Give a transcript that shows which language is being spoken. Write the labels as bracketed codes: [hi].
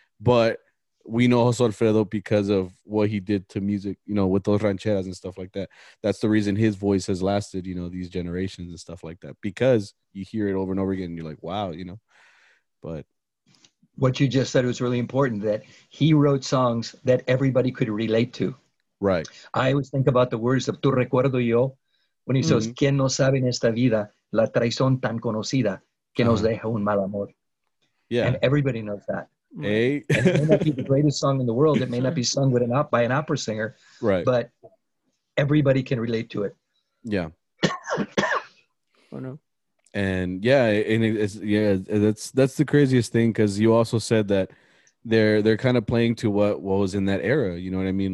[en] But we know Jose Alfredo because of what he did to music, you know, with those rancheras and stuff like that. That's the reason his voice has lasted, you know, these generations and stuff like that, because you hear it over and over again and you're like, wow, you know. But what you just said was really important, that he wrote songs that everybody could relate to. Right. I always think about the words of Tu Recuerdo Yo, when he says, [es] ¿Quién no sabe en esta vida la traición tan conocida que nos deja un mal amor? [en] Yeah. And everybody knows that. Hey. It may not be the greatest song in the world. It may not be sung with by an opera singer. Right. But everybody can relate to it. Yeah. Oh, no. And yeah, and it's, yeah, that's the craziest thing, because you also said that they're kind of playing to what was in that era. You know what I mean?